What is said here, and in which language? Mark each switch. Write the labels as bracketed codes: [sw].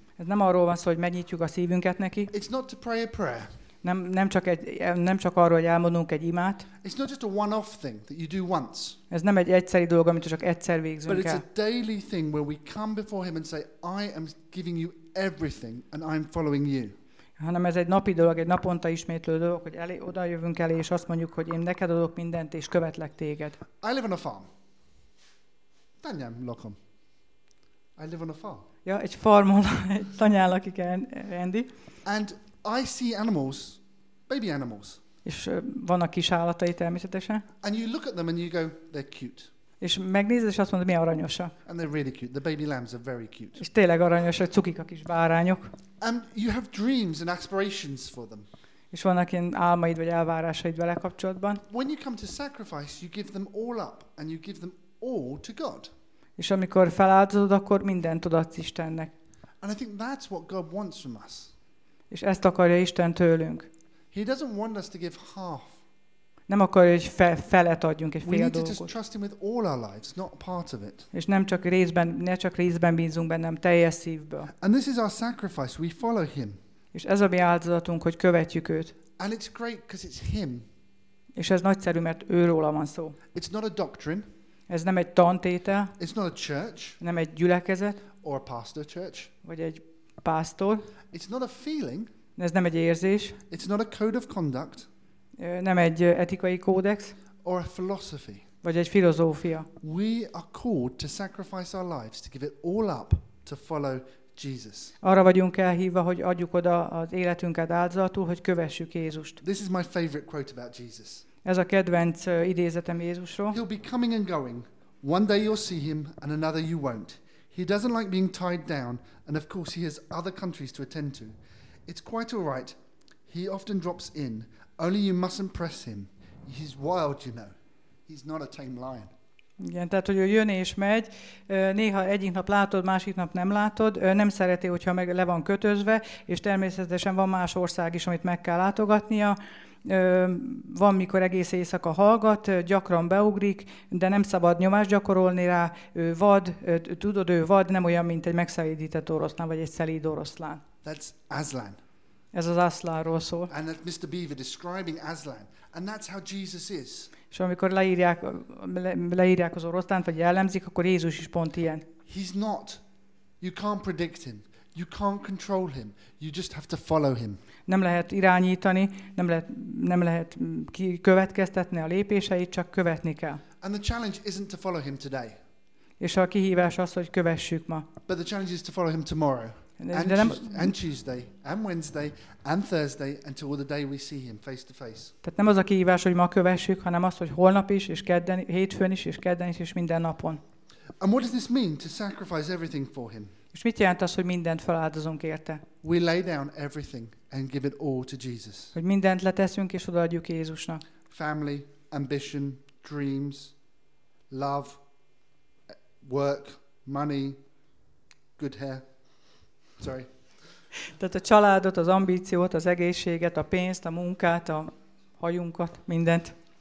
[hu] Ez nem arról van szó, hogy megnyitjuk a szívünket neki. [en] It's not to pray a prayer. [hu] Nem csak arról, hogy elmondunk egy imát. [en] It's not just a one-off thing that you do once. [hu] Ez nem egy egyszeri dolog, amit csak egyszer végzünk [en] But it's [hu] el. [en] A daily thing where we come before him and say, I am giving you everything and I'm following you. [hu] Hanem ez egy napi dolog, egy naponta ismétlő dolog, hogy oda jövünk elé és azt mondjuk, hogy én neked adok mindent és követlek téged. [en] I live on a farm. [hu] Tanyám lakom. [en] I live on a farm. [hu] Ja, egy farmon tanyán lakik Andy. [en] And I see animals, baby animals. [hu] És vannak kis állatai természetesen. [en] And you look at them and you go, they're cute. [hu] És megnézed, és azt mondod, milyen aranyosak. [en] And they're really cute. The baby lambs are very cute. [hu] És tényleg aranyosak, cukik a kis bárányok. [en] And you have dreams and aspirations for them. [hu] És vannak ilyen álmaid vagy elvárásaid vele kapcsolatban. [en] When you come to sacrifice, you give them all up and you give them all to God. [hu] És amikor feláldozod, akkor mindent odaadsz Istennek. [en] And I think that's what God wants from us. [hu] És ezt akarja Isten tőlünk. [en] He doesn't want us to give half. [hu] Nem akarja, hogy felet adjunk, egy fél dolgot. [en] We need to just trust him with all our lives, not part of it. [hu] És ne csak részben bízunk bennem, teljes szívből. [en] And this is our sacrifice, we follow him. [hu] És ez a mi áldozatunk, hogy követjük őt. [en] And it's great because it's him. [hu] És ez nagyszerű, mert őróla van szó. [en] It's not a doctrine. [hu] Ez nem egy tantétel. [en] It's not a church. [hu] Nem egy gyülekezet. [en] Or a pastor church. [hu] Vagy egy pásztor. [en] It's not a feeling. [hu] Ez nem egy érzés. [en] It's not a code of conduct. [hu] Nem egy etikai kódex. [en] Or a philosophy. [hu] Vagy egy filozófia. [en] We are called to sacrifice our lives, to give it all up, to follow Jesus. [hu] Arra vagyunk elhívva, hogy adjuk oda az életünket áldozatul, hogy kövessük Jézust. [en] This is my favorite quote about Jesus. [hu] Ez a kedvenc idézetem Jézusról. [en] He'll be coming and going. One day you'll see him and another you won't. He doesn't like being tied down and of course he has other countries to attend to. It's quite all right. He often drops in. Only you mustn't press him. He's wild, you know. He's not a tame lion. [hu] Igen, tehát hogy ő jön és megy. Néha egyik nap látod, másik nap nem látod. Nem szereti, hogyha meg le van kötözve, és természetesen van más ország is, amit meg kell látogatnia. Van, mikor egész éjszaka hallgat, gyakran beugrik, de nem szabad nyomást gyakorolni rá, ő vad, nem olyan, mint egy megszelídített oroszlán, vagy egy szelíd oroszlán. [en] That's Aslan. [hu] Ez az Aslanról szól. [en] And that Mr. Beaver describing Aslan. And that's how Jesus is. [hu] És amikor leírják az oroszlánt, vagy jellemzik, akkor Jézus is pont ilyen. [en] He's not. You can't predict him. You can't control him. You just have to follow him. [hu] Nem lehet irányítani, nem lehet kikövetkeztetni a lépéseit, csak követni kell. [en] And the challenge isn't to follow him today. [hu] És a kihívás az, hogy kövessük ma. [en] But the challenge is to follow him tomorrow. And Tuesday, and Wednesday, and Thursday, until the day we see him face to face. [hu] Tehát nem az a kihívás, hogy ma kövessük, hanem az, hogy holnap is, és kedden, hétfőn is, és kedden is, és minden napon. [en] And what does this mean to sacrifice everything for him? [hu] És mit jelent az, hogy mindent feláldozunk érte? [en] We lay down everything and give it all to Jesus. [hu] Hogy mindent leteszünk és odaadjuk Jézusnak. [en] Family, ambition, dreams, love, work, money, good hair. Sorry. [hu] Tehát a családot, az ambíciót, az egészséget, a pénzt, a munkát, a hajunkat, mindent.